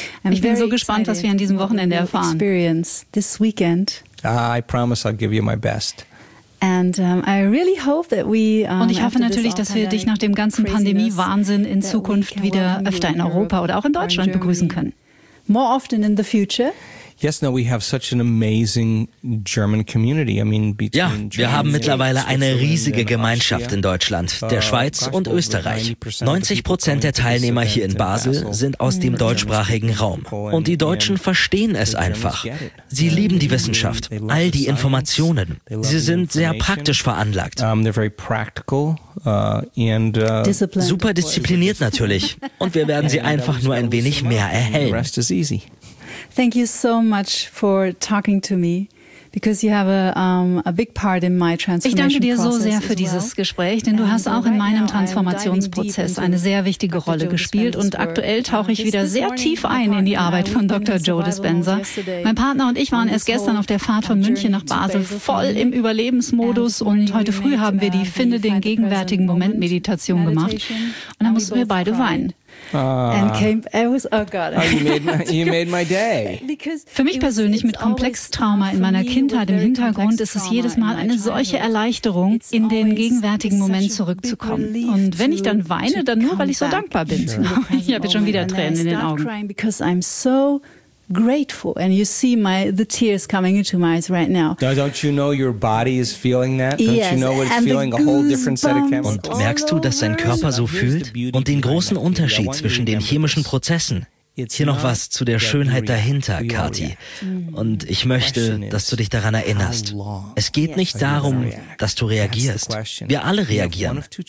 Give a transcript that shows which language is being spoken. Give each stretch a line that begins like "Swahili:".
German: Ich bin so gespannt, was wir an diesem Wochenende erfahren.
English: Experience this weekend. I promise I'll give you my best. And I really hope that we
German: und ich hoffe natürlich, dass wir dich nach dem ganzen Pandemie-Wahnsinn in Zukunft wieder öfter in Europa oder auch in Deutschland begrüßen können.
English: More often in the future. Yes, no, we have such an amazing German community. I mean, between
German: ja, wir haben mittlerweile eine riesige Gemeinschaft in Deutschland, der Schweiz und Österreich. 90% der Teilnehmer hier in Basel sind aus dem deutschsprachigen Raum. Und die Deutschen verstehen es einfach. Sie lieben die Wissenschaft, all die Informationen. Sie sind sehr praktisch veranlagt. Super diszipliniert natürlich. Und wir werden sie einfach nur ein wenig mehr erhellen.
English: Thank you so much for talking to me, because you have a big part in my transformation process.
German: Ich danke dir so sehr für dieses Gespräch, denn du hast auch in meinem Transformationsprozess eine sehr wichtige Rolle gespielt. Und aktuell tauche ich wieder sehr tief ein in die Arbeit von Dr. Joe Dispenza. Mein Partner und ich waren erst gestern auf der Fahrt von München nach Basel voll im Überlebensmodus. Und heute früh haben wir die Finde den gegenwärtigen Moment Meditation gemacht. Und dann mussten wir beide weinen.
English: You made my day.
German: Für mich persönlich mit Komplextrauma in meiner Kindheit im Hintergrund ist es jedes Mal eine solche Erleichterung, in den gegenwärtigen Moment zurückzukommen. Und wenn ich dann weine, dann nur, weil ich so dankbar bin. Ich habe jetzt schon wieder Tränen in den Augen.
English: Because I'm so grateful, and you see the tears coming into my eyes right now. Now, don't you know your body is feeling that? Don't yes, you know what it's feeling? A whole different set of chemicals.
German: Und merkst du, dass dein Körper so fühlt? Und den großen Unterschied zwischen den chemischen Prozessen? Hier noch was zu der Schönheit dahinter, Kati. Und ich möchte, dass du dich daran erinnerst. Es geht nicht darum, dass du reagierst. Wir alle reagieren.